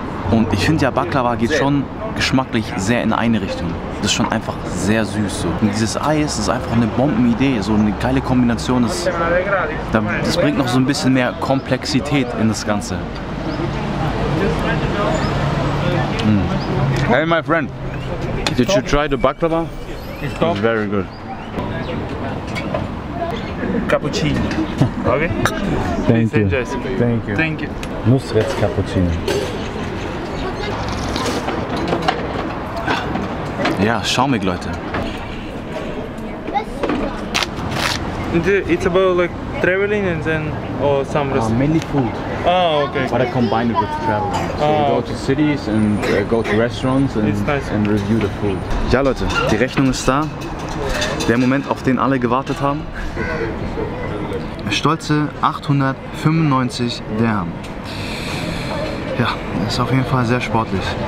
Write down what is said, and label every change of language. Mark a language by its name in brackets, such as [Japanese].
[German] Und ich finde ja, Baklava geht schon geschmacklich sehr in eine Richtung. Das ist schon einfach sehr süß so. Und dieses Eis ist einfach eine Bombenidee, so eine geile Kombination. Das bringt noch so ein bisschen mehr Komplexität in das Ganze. Mm. [English] Hey, my friend, did you try the baklava? It's very good. Cappuccino, okay? Thank you. Thank you. Thank you. Nusret's Cappuccino. [German] Ja, schaumig, Leute. [English] It's about like traveling and then or some rest. Mainly food. Oh, okay. But I combine it with traveling. So you go to cities and go to restaurants and, nice. And review the food. [German] Ja, Leute, die Rechnung ist da. Der Moment, auf den alle gewartet haben. Stolze 895 Dirham. Ja, ist auf jeden Fall sehr sportlich.